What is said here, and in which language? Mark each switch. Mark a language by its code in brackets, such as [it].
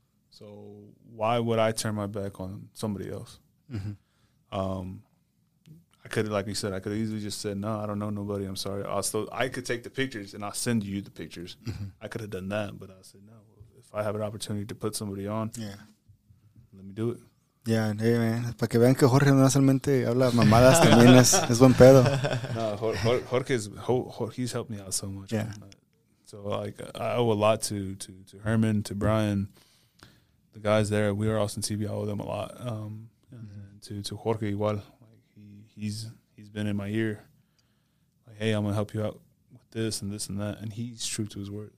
[en] So why would I turn my back on somebody else? Mm-hmm. I could, like you said, I could easily just said, no, I don't know nobody, I'm sorry. I could take the pictures and I'll send you the pictures. Mm-hmm. I could have done that, but I said, no, if I have an opportunity to put somebody on, yeah, let me do it. Yeah, hey man, [es] para que vean que Jorge no solamente habla mamadas, también es buen pedo. [en] No, Jorge's helped me out so much. Yeah. So, like, I owe a lot to Herman, to Brian, the guys there. We are Austin TV. I owe them a lot. To Jorge igual. Like, he's been in my ear. Like, hey, I'm gonna help you out with this and this and that, and he's true to his word.